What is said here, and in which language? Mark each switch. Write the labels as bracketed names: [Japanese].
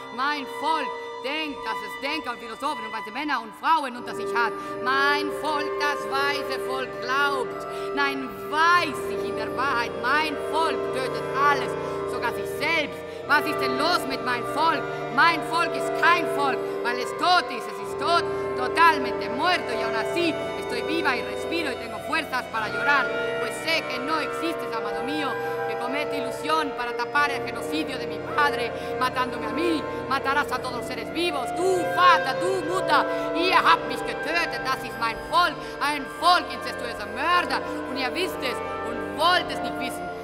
[German] Mein Volk denkt, dass es Denker und Philosophen und weiße Männer und Frauen unter sich hat. Mein Volk, das weiße Volk, glaubt. Nein, weiß ich in der Wahrheit. Mein Volk tötet alles. Sogar sich selbst. Was ist denn los mit meinem Volk? Mein Volk ist kein Volk, weil es tot ist. Es ist tot, [Spanish] totalmente muerto. Y aún así, estoy viva y respiro y tengo fuerzas para llorar. Pues sé que no existes, amado mío, que comete ilusión para tapar el genocidio de mi padre, matándome a mí. Matarás a todos los seres vivos. [German] Du Vater, du Mutter, ihr habt mich getötet. Das ist mein Volk. Ein Volk, incestuöser Mörder. Und ihr wisst es und wollt es nicht wissen.